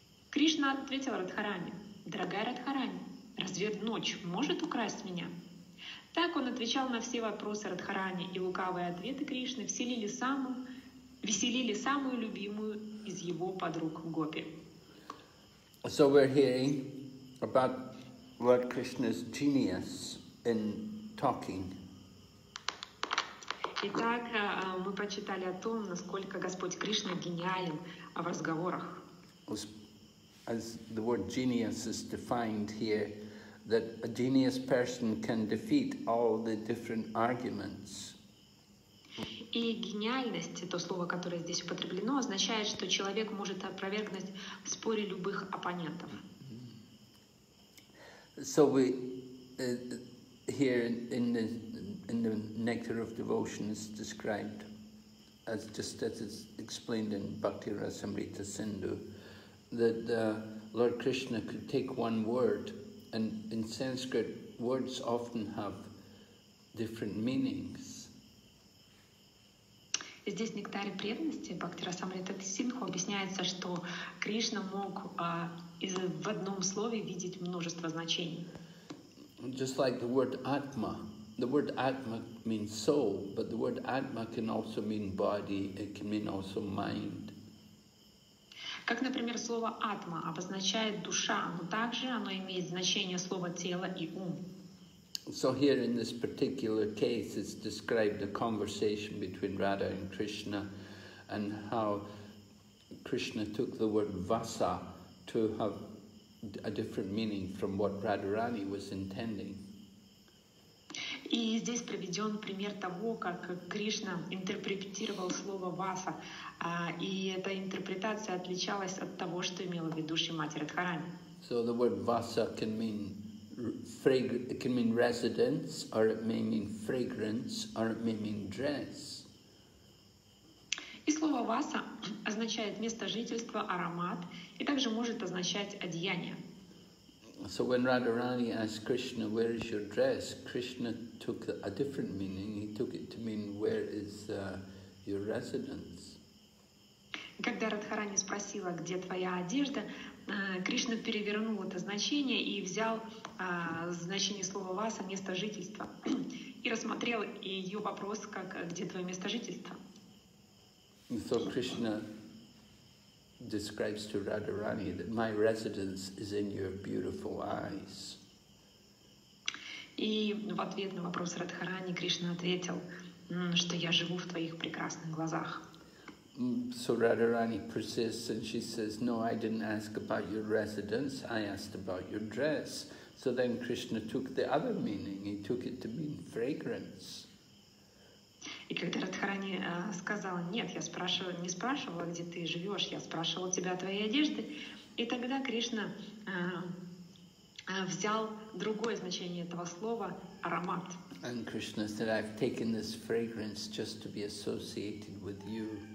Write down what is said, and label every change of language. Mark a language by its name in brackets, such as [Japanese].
[Russian] Кришна ответил Радхарани: «Дорогая Радхарани, разве ночь может украсть меня?» Так он отвечал на все вопросы Радхарани, и лукавые ответы Кришны веселили самую любимую из его подруг Гопи. [English] So we're hearing about Lord Krishna's genius in talking. [Russian] Итак, мы прочитали о том, насколько Господь Кришна гениален в разговорах. [English] As the word genius is defined here, that a genius person can defeat all the different arguments. [Russian] И гениальность, то слово, которое здесь употреблено, означает, что человек может опровергнуть в споре любых оппонентов. [English] So we here in the Nectar of Devotion is described as just as it's explained in Bhakti Rasamrita Sindhu, that Lord Krishna could take one word, and in Sanskrit words often have different meanings. [Russian] Здесь в «Нектаре преданности» Бхактирасамрита Сингху объясняется, что Кришна мог в одном слове видеть множество значений. [English] Just like the word «атма». The word «атма» means «soul», but the word «атма» can also mean «body», it can mean also «mind». [Russian] Как, например, слово «атма» обозначает «душа», но также оно имеет значение слова «тело» и «ум». [English] So here in this particular case, it's described a conversation between Radha and Krishna, and how Krishna took the word vasa to have a different meaning from what Radharani was intending. [Russian] И здесь приведен пример того, как Кришна интерпретировал слово vasa, и эта интерпретация отличалась от того, что имела в виду Шримати Радхарани. [English] So the word vasa can mean fragrance, it can mean residence, or it may mean fragrance, or it may mean dress. И слово васа означает место жительства, аромат, и также может означать одеяние. So when Radharani asked Krishna, "Where is your dress?" Krishna took a different meaning. He took it to mean, "Where is your residence. [Russian] Когда Радхарани спросила, где твоя одежда, Кришна перевернул это значение и взял значение слова васа, место жительства, и рассмотрел ее вопрос, как где твое место жительства. [English] So Krishna describes to Radharani that my residence is in your beautiful eyes. [Russian] И в ответ на вопрос Радхарани Кришна ответил, что я живу в твоих прекрасных глазах. [English] So Radharani persists and she says, no, I didn't ask about your residence, I asked about your dress. So then Krishna took the other meaning, he took it to mean fragrance. [Russian] И когда Радхарани сказала, нет, я не спрашивала, где ты живешь, я спрашивала тебя о твоей одежде, и тогда Кришна взял другое значение этого слова, аромат. [English] And Krishna said, I've taken this fragrance just to be associated with you.